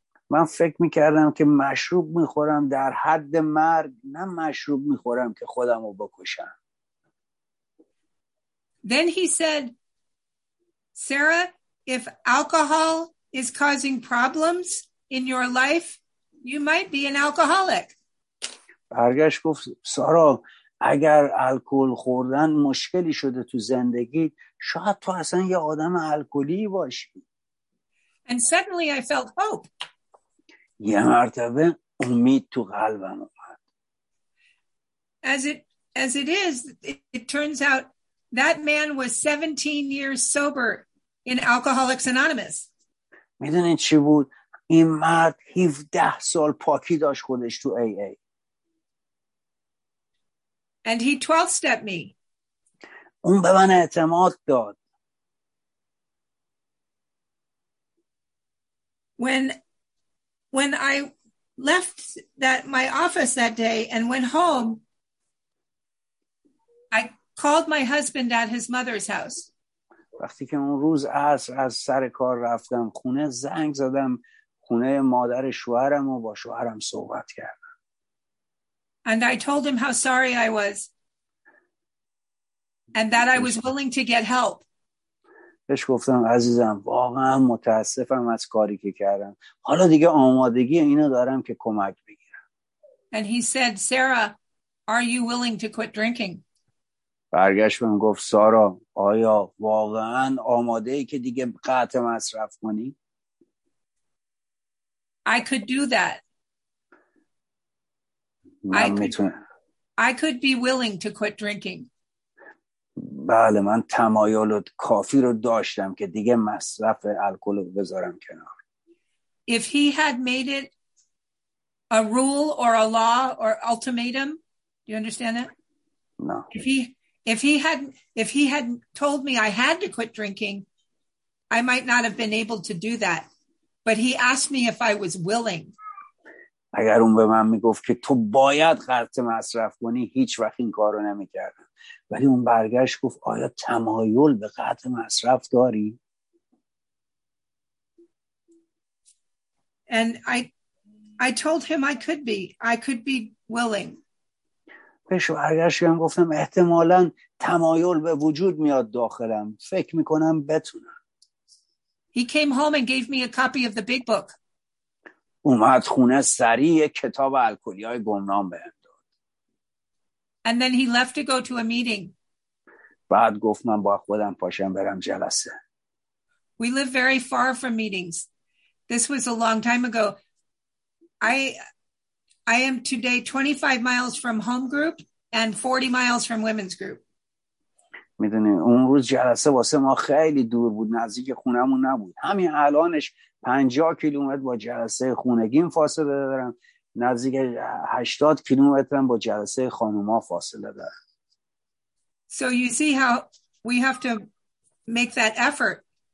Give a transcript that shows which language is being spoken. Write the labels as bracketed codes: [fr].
[fa] من فکر میکردم که مشروب میخورم در حد مرگ, نه مشروب میخورم که خودم رو بکشم. [en] Then he said, Sarah, if alcohol is causing problems in your life, you might be an alcoholic. [fa] برگشت گفت سارا اگر الکل خوردن مشکلی شده تو زندگی، شاید تو اصلا یه آدم الکلی باشی. [en] And suddenly I felt hope. [fa] یه مرتبه امید تو قلبم اومد. [en] As it turns out that man was 17 years sober in Alcoholics Anonymous. [fa] میدونین چی بود؟ این مرد 17 سال پاکی داشت خودش تو AA. [en] And he 12-stepped me. [fa] اون به من اعتماد داد. [en] When I left that my office that day and went home, I called my husband at his mother's house. [fa] وقتی که اون روز از سر کار رفتم خونه، زنگ زدم خونه مادر شوهرم و با شوهرم صحبت کردم. [en] And I told him how sorry I was and that I was willing to get help. [fa] بهش گفتم عزیزم واقعا متاسفم از کاری که کردم، حالا دیگه آمادگی اینو دارم که کمک بگیرم. [en] And he said, Sarah, are you willing to quit drinking? [fa] برگشت بهم گفت سارا آیا واقعا آماده ای که دیگه قطع مصرف کنی؟ [en] I could do that. I could be willing to quit drinking. [fa] بله من تمایل کافی رو داشتم که دیگه مصرف الکل رو بذارم کنار. [en] If he had made it a rule or a law or ultimatum, do you understand that? No. If he had told me I had to quit drinking, I might not have been able to do that. But he asked me if I was willing. [fa] اگر اون به من میگفت که تو باید قطع مصرف کنی، هیچ وقت این کار رو نمیکردم. ولی اون برگشت گفت آیا تمایل به قطع مصرف داری؟ [en] And I told him I could be willing. [fa] بهش برگشتم گفتم احتمالاً تمایل به وجود میاد داخلم، فکر میکنم بتونم. [en] He came home and gave me a copy of the big book. [fa] اومد خونه سریع کتاب الکلی های گمنام به هم داد. [en] And then he left to go to a meeting. [fa] بعد گفت من با خودم پاشم برم جلسه. [en] We live very far from meetings. This was a long time ago. I am today 25 miles from home group and 40 miles from women's group. [fa] میدونی اون روز جلسه واسه ما خیلی دور بود، نزدیک خونمون نبود. همین الانش 50 کیلومتر با جلسه خونگیم فاصله دارم، نزدیک 80 کیلومتر با جلسه خانوما فاصله دارم. [en] So you see how we have to make that effort.